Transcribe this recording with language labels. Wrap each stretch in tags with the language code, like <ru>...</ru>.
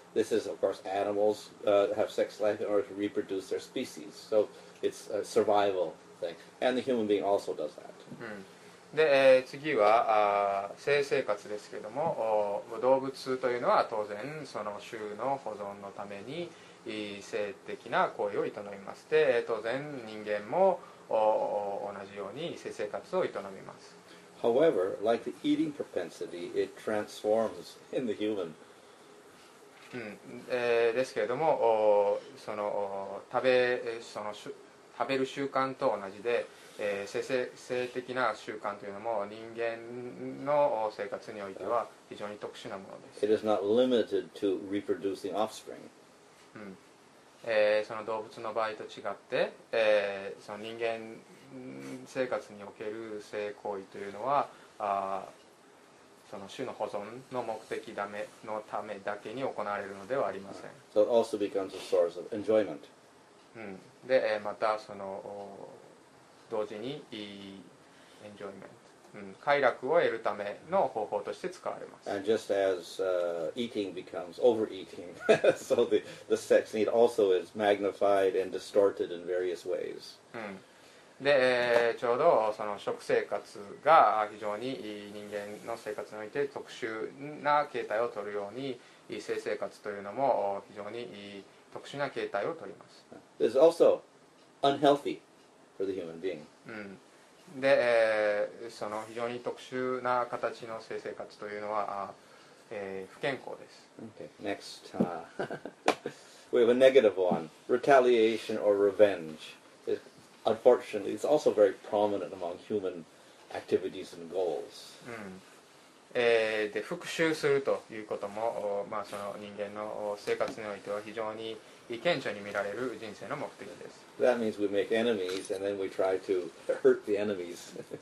<en>This is, of course, animals have sex life in order to reproduce their species. So it's a survival thing. And the human being also does that.</en> <ja>で、次は性生活ですけれども、動物というのは当然その種の保存のために性的な行為を営みまして、当然人間も同じように性生活を営みます。</ja> <en>However, like the eating propensity, it transforms in the human.</en> <ja>ですけれども、その食べその食べる習慣と同じで、性的な習慣というのも人間の生活においては非常に特殊なものです。</ja> <en>It is not limited to reproducing offspring.</en> <ja>その動物の場合と違って、その人間生活における性行為というのは、その種の保存の目的のためだけに行われるのではありません。</ja> <en>So it also becomes a source of enjoyment.</en> <ja>で、またその同時にenjoyment、快楽を得るための方法として使われます。</ja> <en>And just as eating becomes overeating, so the sex need also is magnified and distorted in various ways.</en> <ja>で、ちょうどその食生活が非常に人間の生活において特殊な形態を取るように、性生活というのも非常に特殊な形態を取ります。</ja> <en>This is also unhealthy for the human being.</en> <ja>で、その非常に特殊な形の性生活というのは、不健康です。</ja> <en>Okay, next. We have a negative one. Retaliation or revenge. Unfortunately, it's also very prominent among human activities and goals.</en> <ja>で、復讐するということも、まあ、その人間の生活においては非常に顕著に見られる人生の目的です。</ja> <en>That means we make enemies and then we try to hurt the enemies.</en>